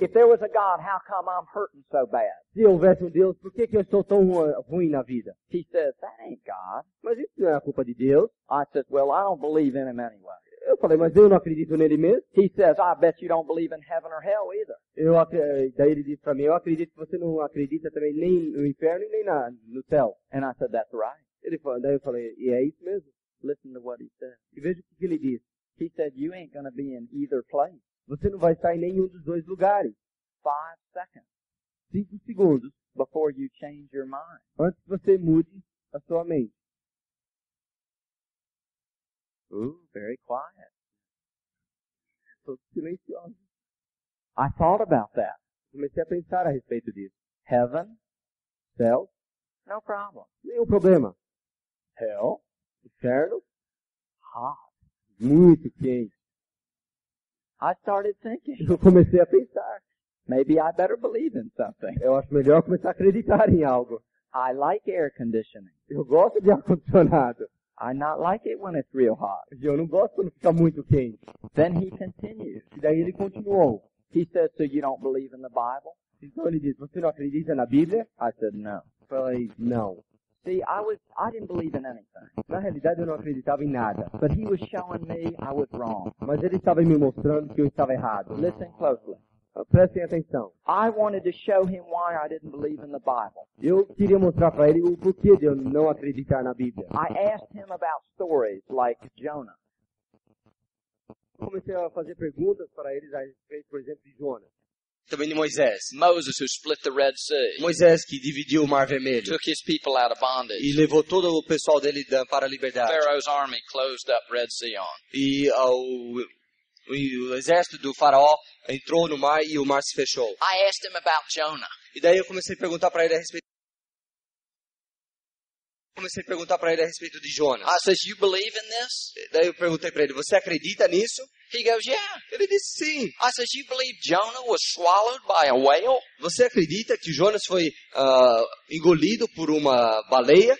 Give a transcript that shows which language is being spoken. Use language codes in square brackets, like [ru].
[en] If there was a God, how come I'm hurting so bad? [pt] Se houvesse Deus, por que eu sou tão ruim na vida? [en] He said, that ain't God. [pt] Mas isso não é a culpa de Deus. [en] I said, well, I don't believe in him anyway. [pt] Eu falei, mas eu não acredito nele mesmo. [en] He says, I bet you don't believe in heaven or hell either. [pt] Daí ele disse para mim, eu acredito que você não acredita também nem no inferno nem no céu. [en] And I said, that's right. [pt] Daí eu falei, e é isso mesmo. [en] Listen to what he said. [pt] E veja o que ele disse. [en] He said, you ain't gonna be in either place. [pt] Você não vai estar em nenhum dos dois lugares. [en] 5 seconds. [pt] 5 segundos. [en] Before you change your mind. [pt] Antes que você mude a sua mente. [en] Very quiet. [pt] So, silencioso. [en] I thought about that. [pt] Comecei a pensar a respeito disso. [en] Heaven. [pt] Céu. [en] No problem. [pt] Nenhum problema. [en] Hell. [pt] Inferno. [en] Hot. [pt] Muito quente. [en] I started thinking. [pt] Eu comecei a pensar. [en] Maybe I better believe in something. [pt] Eu acho melhor começar a acreditar em algo. [en] I like air conditioning. [pt] Eu gosto de ar-condicionado. [en] I not like it when it's real hot. [pt] Eu não gosto quando fica muito quente. [en] Then he continues. [pt] E daí ele continuou. [en] He said, so you don't believe in the Bible? [pt] Então ele diz, você não acredita na Bíblia? [en] I said, no. [pt] Falei, não. [en] See, I didn't believe in anything. [pt] Na realidade, eu não acreditava em nada. [en] But he was showing me I was wrong. [pt] Mas ele estava me mostrando que eu estava errado. [en] Listen closely. [pt] Prestem atenção. [en] I wanted to show him why I didn't believe in the Bible. [pt] Eu queria mostrar para ele o porquê de eu não acreditar na Bíblia. [en] I asked him about stories like Jonah. [pt] Comecei a fazer perguntas para eles a respeito, por exemplo, de Jonah. Também de Moisés. [en] Moses who split the Red Sea. [pt] Moisés que dividiu o Mar Vermelho. [en] Took his people out of bondage. [pt] E levou todo o pessoal dele para a liberdade. [en] Pharaoh's army closed up Red Sea on. [pt] O exército do faraó entrou no mar e o mar se fechou. [en] I asked him about Jonah. [pt] E daí eu comecei a perguntar para ele a respeito de Jonas. [en] I says, you believe in this? [pt] Daí eu perguntei para ele, você acredita nisso? [en] He goes, yeah. [pt] Ele disse sim. [en] I says, you believe Jonah was swallowed by a whale? [pt] Você acredita que Jonas foi engolido por uma baleia?